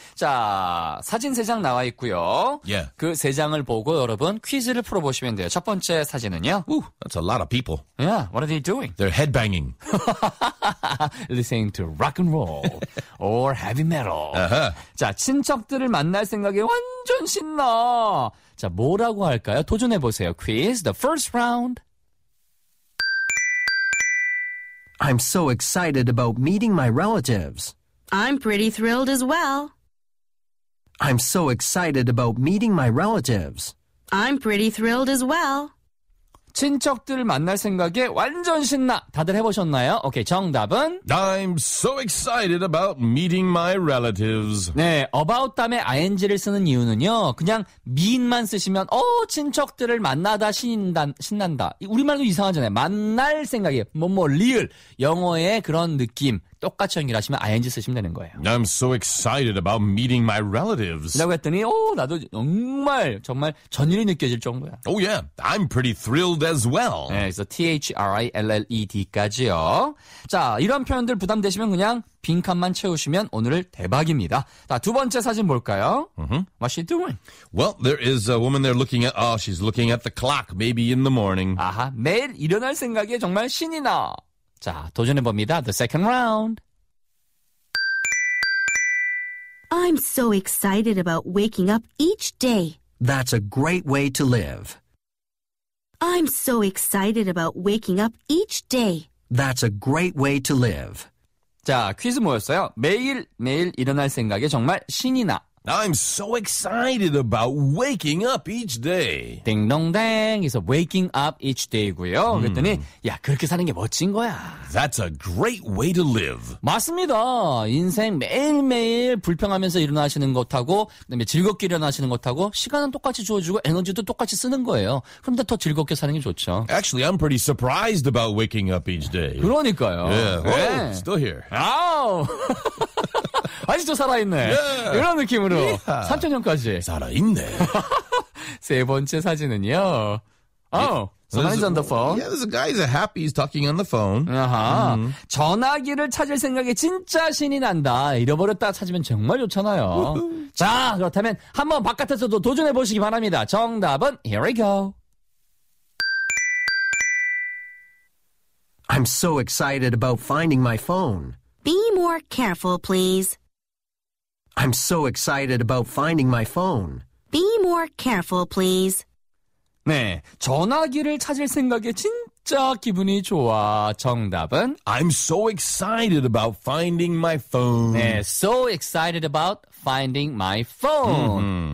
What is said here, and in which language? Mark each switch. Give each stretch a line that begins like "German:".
Korean: 자, 사진 세 장 나와 있고요.
English: Yeah.
Korean: 그 세 장을 보고 여러분 퀴즈를 풀어 보시면 돼요. 첫 번째 사진은요.
English: Ooh, that's a lot of people. Yeah, what are they doing? They're headbanging. Listening to rock and roll or heavy metal. Uh-huh.
Korean: 자, 친척들을 만날 생각에 완전 신나. 자, 뭐라고 할까요? 도전해 보세요.
English: Quiz the first round. I'm so excited about meeting my relatives. I'm pretty thrilled as well. I'm so excited about meeting my relatives. I'm pretty thrilled as well.
Korean: 친척들 만날 생각에 완전 신나. 다들 해보셨나요? 오케이, 정답은?
English: I'm so excited about meeting my relatives.
Korean: 네, about 다음에 ing를 쓰는 이유는요. 그냥 meet만 쓰시면 어, 친척들을 만나다 신난다. 우리말도 이상하잖아요. 만날 생각에, 뭐뭐 real, 영어의 그런 느낌. 똑같이 연결하시면 ing 쓰시면 되는 거예요.
English: I'm so excited about meeting my relatives.
Korean: 라고 했더니 오, 나도 정말 전율이 느껴질 정도야.
English: Oh yeah, I'm pretty thrilled as well.
Korean: 네, 그래서 thrilled까지요. 자, 이런 표현들 부담되시면 그냥 빈칸만 채우시면 오늘을 대박입니다. 자, 두 번째 사진 볼까요? Mm-hmm.
English: What's she doing? Well, there is a woman there looking at, oh, she's looking at the clock, maybe in the morning.
Korean: 아하, 매일 일어날 생각에 정말 신이 나. 자, 도전해봅니다.
English: The second round. I'm so excited about waking up each day. That's a great way to live. I'm so excited about waking up each day. That's a great way to live.
Korean: 자, 퀴즈 뭐였어요? 매일 일어날 생각에 정말 신이 나.
English: I'm so excited about waking up each day.
Korean: 딩동댕.
English: It's waking up each day고요.
Korean: 그랬더니, 야, 그렇게 사는 게 멋진 거야.
English: That's a great way to live.
Korean: 맞습니다. 인생 매일매일 불평하면서 일어나시는 것하고, 그다음에 즐겁게 일어나시는 것하고, 시간은 똑같이 주어지고, 에너지도 똑같이 쓰는 거예요. 그런데 더 즐겁게 사는 게 좋죠.
English: Actually, I'm pretty surprised about waking up each day.
Korean: 그러니까요.
English: Yeah. Oh, 네. Still here.
Korean: Ow! 아직도 살아있네.
English: Yeah.
Korean: 이런 느낌으로. Yeah. 3,000년까지. 살아있네. 세 번째 사진은요.
English: Oh, somebody's on the phone. Yeah, this guy is happy. He's talking on the phone. Uh-huh. Mm-hmm.
Korean: 전화기를 찾을 생각에 진짜 신이 난다. 잃어버렸다 찾으면 정말 좋잖아요. 자, 그렇다면 한번 바깥에서도 도전해보시기 바랍니다. 정답은
English: here we go. I'm so excited about finding my phone. Be more careful, please. I'm so excited about finding my phone. Be more careful, please.
Korean: 네, 전화기를 찾을 생각에 진짜 기분이 좋아. 정답은?
English: I'm so excited about finding my phone. 네, so excited about finding my phone.